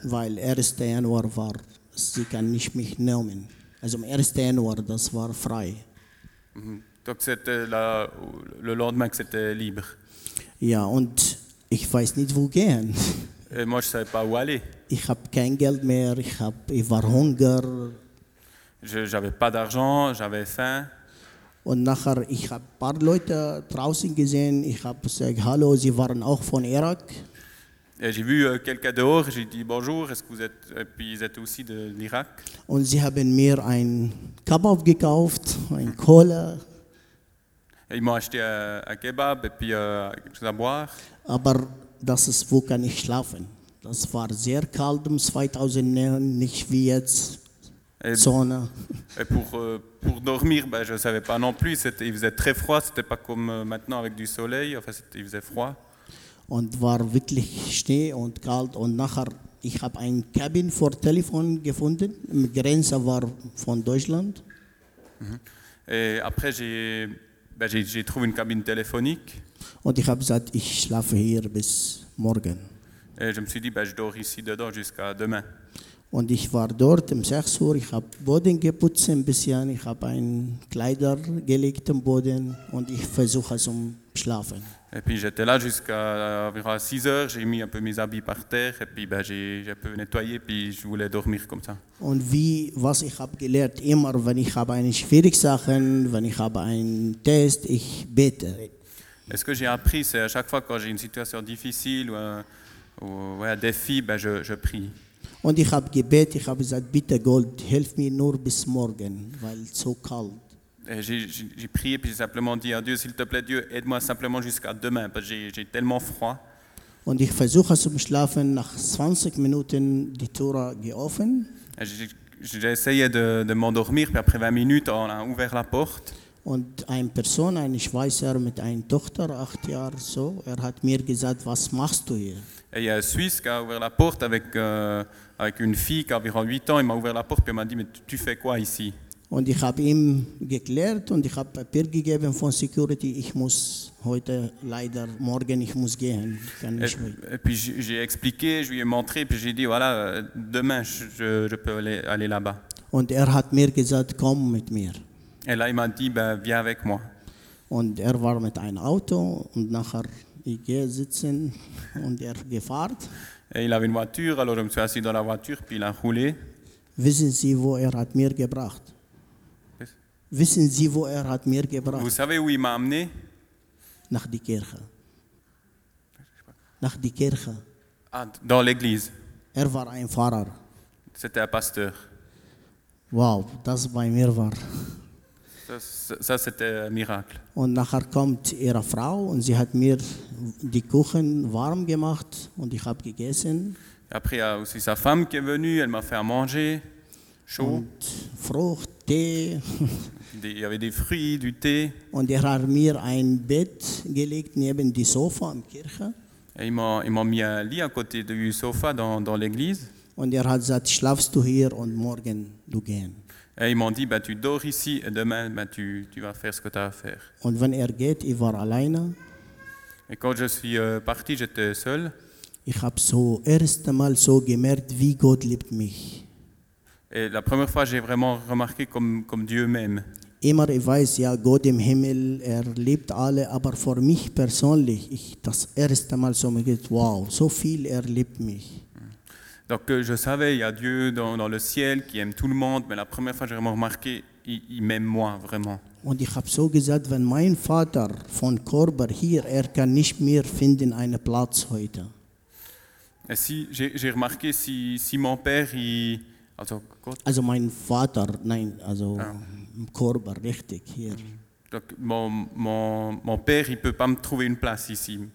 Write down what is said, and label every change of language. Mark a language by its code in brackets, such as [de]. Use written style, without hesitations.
[de] Weil 1. Januar war, sie kann nicht mich nehmen. Also am 1. Januar, das war frei. [fr] Donc c'était le lendemain que c'était libre. [de] Ja, und ich weiß nicht, wo gehen. [fr] Et moi, je ne savais pas où aller. [de] Ich habe kein Geld mehr, ich war Hunger. [fr] J'avais pas d'argent, j'avais faim. [de] Und nachher, ich habe ein paar Leute draußen gesehen, ich habe gesagt, hallo, sie waren auch von Irak. [fr] Et j'ai vu quelqu'un dehors, j'ai dit bonjour, est-ce que vous êtes, et puis ils étaient aussi de l'Irak. [de] Und sie haben mir einen Kebab gekauft, einen Cola. [fr] Et ils m'ont acheté un kebab et puis quelque chose à boire. [de] Aber das ist, wo kann ich schlafen? Das war sehr kalt im 2009, nicht wie jetzt. [fr] Et pour dormir, ben, je ne savais pas non plus, il faisait très froid, ce n'était pas comme maintenant avec du soleil, enfin il faisait froid. [de] Und war wirklich Schnee und kalt und nachher, ich habe ein Cabin vor Telefon gefunden, die Grenze war von Deutschland. [fr] Et après j'ai trouvé une cabine téléphonique. [de] Und ich habe gesagt, ich schlafe hier bis morgen. [fr] Et je me suis dit, ben, je dors ici dedans jusqu'à demain. [de] Und ich war dort um 6 Uhr, ich habe Boden geputzt ein bisschen, ich habe ein Kleider gelegt am Boden und ich versuche zum Schlafen. [fr] Et puis j'étais là jusqu'à environ 6 heures, j'ai mis un peu mes habits par terre et puis ben, j'ai un peu nettoyé puis je voulais dormir comme ça. [de] Und was ich habe gelernt, immer wenn ich habe eine schwierige Sache, wenn ich habe einen Test, ich bete. [fr] Et ce que j'ai appris, c'est à chaque fois quand j'ai une situation difficile ou un défi, ben, je prie. [de] Und ich habe gebetet, ich habe gesagt, bitte Gott, hilf mir nur bis morgen, weil es so kalt. [fr] J'ai prié, puis j'ai simplement dit à Dieu, s'il te plaît, Dieu, aide-moi simplement jusqu'à demain, parce que j'ai tellement froid. [de] Und ich versuche zum Schlafen, nach 20 Minuten die Tür geöffnet. [fr] J'ai essayé de m'endormir, puis après 20 minutes, on a ouvert la porte. [de] Und eine Person, ein Schweizer mit einer Tochter, 8 Jahre so, er hat mir gesagt, was machst du hier? [fr] Et il y a un Suisse qui a ouvert la porte avec une fille qui a environ 8 ans. Il m'a ouvert la porte et il m'a dit, mais tu fais quoi ici? [de] Und ich habe ihm geklärt und ich habe Papier gegeben von Security. Ich muss heute leider morgen, ich muss gehen. [fr] Et puis j'ai expliqué, je lui ai montré, puis j'ai dit, voilà, demain je peux aller là-bas. [de] Und hat mir gesagt, komm mit mir. [fr] Et là il m'a dit, ben, viens avec moi. [de] Und war mit einem Auto und nachher. Ich gehe sitzen und gefahren. [fr] Et il avait une voiture, alors je me suis assis dans la voiture, puis il a roulé. [de] Wissen Sie, wo hat mir gebracht? Wissen Sie, wo hat mir gebracht? [fr] Vous savez où il m'a amené? [de] nach die Kirche. Nach die Kirche. [fr] Ah, dans l'église. [de] Er war ein Pfarrer. [fr] C'était un pasteur. [de] Wow, das bei mir war. [fr] Ça c'était un miracle. [de] Und nachher kommt ihre Frau und sie hat mir die Kuchen warm gemacht und ich habe gegessen. [fr] Et après il y a aussi sa femme qui est venue, elle m'a fait à manger. Chaud. [de] Frucht, Tee. [fr] Il y avait des fruits, du thé. [de] Und er hat mir ein Bett gelegt neben die Sofa in Kirche. [fr] Et il m'a mis un lit à côté du sofa dans l'église. [de] Und er hat gesagt, schlafst du hier und morgen du gehen. [fr] Et ils m'ont dit, bah, tu dors ici et demain bah, tu vas faire ce que tu as à faire. [de] Und wenn er geht, ich war alleine. [fr] Et quand je suis parti, j'étais seul. [de] Ich habe so erste Mal so gemerkt, wie Gott liebt mich. [fr] Et la première fois, j'ai vraiment remarqué comme Dieu m'aime. [de] Immer ich weiß, ja, Gott im Himmel, er liebt alle, aber für mich persönlich, ich das erste Mal so gemerkt, wow, so viel er liebt mich. [fr] Donc je savais, il y a Dieu dans le ciel qui aime tout le monde, mais la première fois, j'ai vraiment remarqué, il m'aime moi, vraiment. [de] Und ich habe so gesagt, wenn mein Vater von Korber hier, er kann nicht mehr finden einen Platz heute. [fr] Et si, j'ai remarqué, si mon père, il... [de] Also, Gott. Also mein Vater, nein, also ah. Korber, richtig, hier. [fr] Donc mon père, il ne peut pas me trouver une place ici.